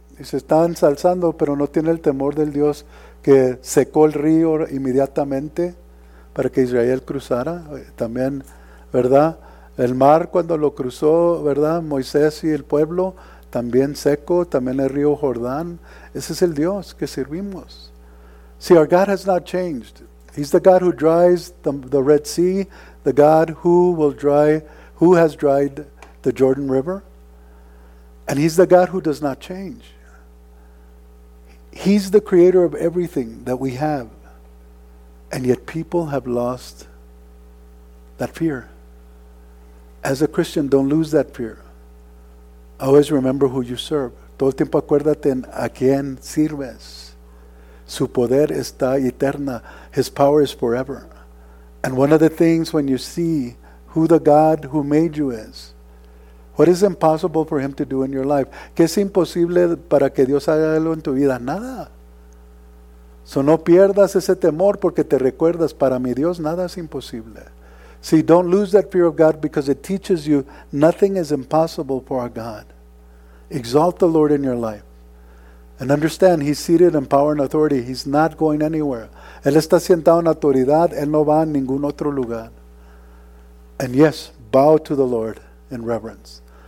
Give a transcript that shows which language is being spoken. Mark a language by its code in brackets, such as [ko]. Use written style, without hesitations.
[es] y se está ensalzando, pero no tiene el temor del Dios que secó el río inmediatamente para que Israel cruzara. También, ¿verdad? El mar cuando lo cruzó, ¿verdad? Moisés y el pueblo, también seco, también el río Jordán. Ese es el Dios que servimos. [en] See, our God has not changed. He's the God who dries the Red Sea, the God who will dry, who has dried the Jordan River. And he's the God who does not change. He's the creator of everything that we have. And yet people have lost that fear. As a Christian, don't lose that fear. Always remember who you serve. [es] Todo el tiempo acuérdate en a quién sirves. Su poder está eterna. [en] His power is forever. And one of the things when you see who the God who made you is, what is impossible for him to do in your life? [es] ¿Qué es imposible para que Dios haga algo en tu vida? Nada. So no pierdas ese temor porque te recuerdas, para mi Dios nada es imposible. [en] See, don't lose that fear of God because it teaches you nothing is impossible for our God. Exalt the Lord in your life. And understand, he's seated in power and authority. He's not going anywhere. [es] Él está sentado en autoridad. Él no va a ningún otro lugar. [en] And yes, bow to the Lord in reverence.